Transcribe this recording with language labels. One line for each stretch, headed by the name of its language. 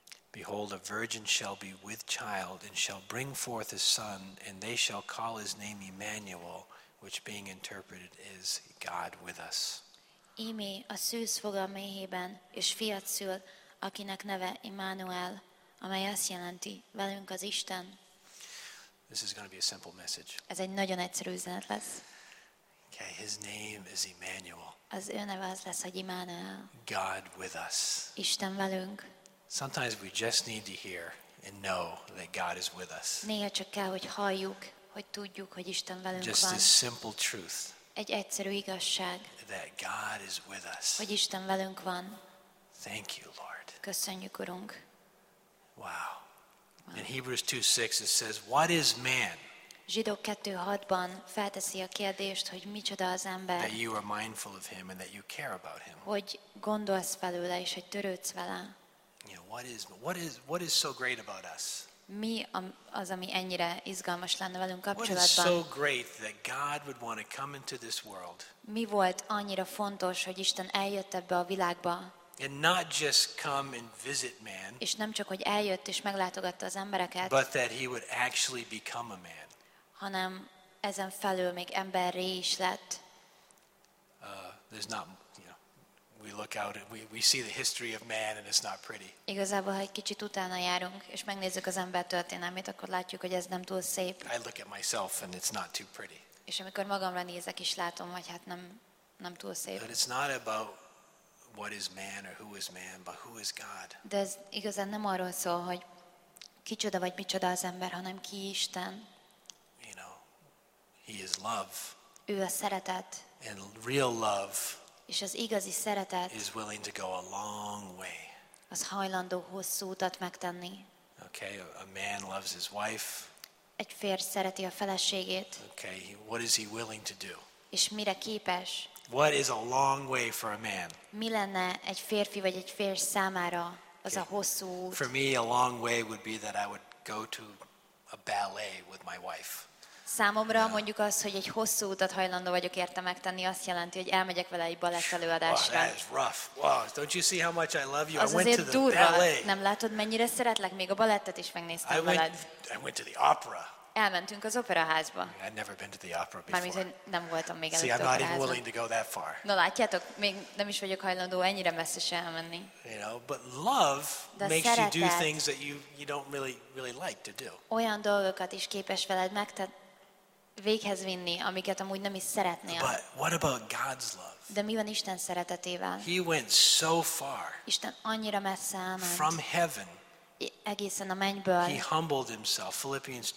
English: Behold, a virgin shall be with child and shall bring forth a son, and they shall call his name Emmanuel, which being interpreted is God with us.
Hungarian: Íme a szűz fog a méhében, és fiat szül, akinek neve Immanuel, amely azt jelenti, velünk az Isten.
English: This is going to be a simple message.
Hungarian: Ez egy nagyon egyszerű üzenet lesz.
English: Okay, his name is Emmanuel.
Hungarian: Az ő neve az lesz, hogy Immanuel.
English: God with us.
Hungarian: Isten velünk.
English: Sometimes we just need to hear and know that God is with us.
Hungarian: Néha csak kell, hogy halljuk, hogy tudjuk, hogy Isten velünk
English: just
Hungarian: van.
English: Just a simple truth.
Hungarian: Egy egyszerű igazság.
English: That God is with us.
Hungarian: Hogy Isten velünk van.
English: Thank you, Lord.
Hungarian: Köszönjük, Urunk.
English: Wow. In Hebrews 2:6 it says, what is man?
Hungarian: Zsidók 2:6-ban felteszi a kérdést, hogy micsoda az ember.
English: That you are mindful of him and that you care about him.
Hungarian: Hogy gondolsz belőle és hogy törődsz vele.
English: You know, what is so great about us?
Hungarian: Mi az, ami ennyire izgalmas lenne velünk kapcsolatban?
English: What is so great that God would want to come into this world?
Hungarian: Mi volt annyira fontos, hogy Isten eljött ebbe a világba?
English: And not just come and visit man.
Hungarian: És nem csak hogy eljött és meglátogatta az embereket.
English: But that he would actually become a man.
Hungarian: Hanem ezen felül még emberré is lett.
English: There's not, you know, we look out and we see the history of man and it's not pretty.
Hungarian: Igazából ha egy kicsit utána járunk és megnézzük az ember történelmét, akkor látjuk, hogy ez nem túl szép.
English: I look at myself and it's not too pretty.
Hungarian: És amikor magamra nézek is látom, hogy hát nem túl szép.
English: But it's not about what is man or who is man, but who is God?
Hungarian: De ez igazán nem arról szól, hogy kicsoda vagy micsoda az ember, hanem ki Isten.
English: You know, he is love.
Hungarian: Ő a szeretet.
English: And real love.
Hungarian: És az igazi szeretet.
English: Is willing to go a long way.
Hungarian: Az hajlandó hosszú utat megtenni.
English: Okay, a man loves his wife.
Hungarian: Egy férj szereti a feleségét.
English: Okay, what is he willing to do?
Hungarian: És mire képes?
English: What is a long way for a man?
Hungarian: Mi lenne egy férfi vagy egy férj számára az a hosszú út?
English: For me, a long way would be that I would go to a ballet with my wife.
Hungarian: Számomra mondjuk az, hogy egy hosszú utat hajlandó vagyok érte megtenni, azt jelenti, hogy elmegyek vele egy balett előadásra.
English: That is rough. Wow, don't you see how much I love you?
Hungarian: Az
English: I went to the
Hungarian: durva.
English: Ballet.
Hungarian: Nem látod, mennyire szeretlek? Még a balettet is megnéztem veled.
English: I went to the opera.
Hungarian: Elmentünk az operaházba.
English: I'd never been to the opera before.
Hungarian: Mármint, hogy nem voltam még előtt operaházban.
English: See, I'm not even willing to go that far.
Hungarian: No, látjátok, még nem is vagyok hajlandó ennyire messze sem elmenni.
English: You know, but love makes you do things that you don't really like to do.
Hungarian: Olyan dolgokat is képes veled véghez vinni, amiket amúgy nem is szeretnél.
English: But what about God's love?
Hungarian: De mi van Isten szeretetével?
English: He went so far.
Hungarian: Isten annyira messze elment.
English: From heaven.
Hungarian: Egészen a mennyből.
English: He humbled himself. Philippians